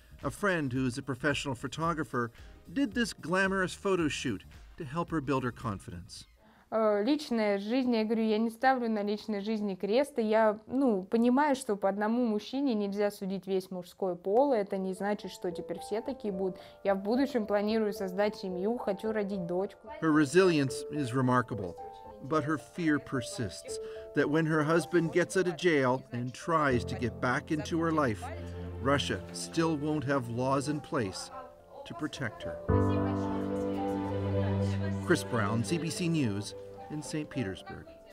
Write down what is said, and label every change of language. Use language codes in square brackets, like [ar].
[en] A friend who is a professional photographer did this glamorous photo shoot to help her build her confidence. [ru] Личная жизнь, я говорю, я не ставлю на личной жизни крест, и я, ну, понимаю, что по одному мужчине нельзя судить весь мужской пол, и это не значит, что теперь все такие будут. Я в будущем планирую создать семью, хочу родить дочку. [en] Her resilience is remarkable, but her fear persists that when her husband gets out of jail and tries to get back into her life, Russia still won't have laws in place to protect her. Chris Brown, CBC News, in St. Petersburg.